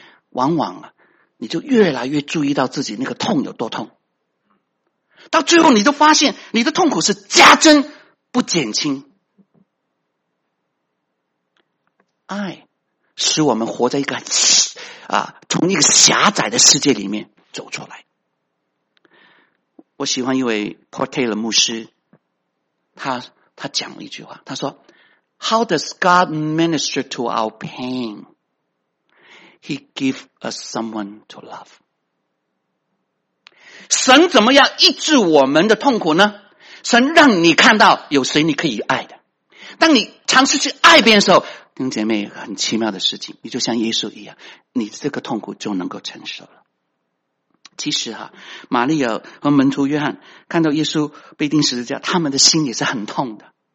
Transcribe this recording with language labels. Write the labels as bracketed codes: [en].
[zh] 往往啊，你就越来越注意到自己那个痛有多痛，到最后你就发现你的痛苦是加增不减轻。爱使我们活在一个从一个狭窄的世界里面走出来。我喜欢一位 Paul Taylor 牧师，他讲了一句话，他说 [en] How does God minister to our pain? He gives us someone to love. [zh] 神怎么样医治我们的痛苦呢？神让你看到有谁你可以爱的。当你尝试去爱别人的时候，弟兄姐妹，很奇妙的事情，你就像耶稣一样，你这个痛苦就能够承受了。其实啊，玛利亚和门徒约翰看到耶稣被钉十字架，他们的心也是很痛的。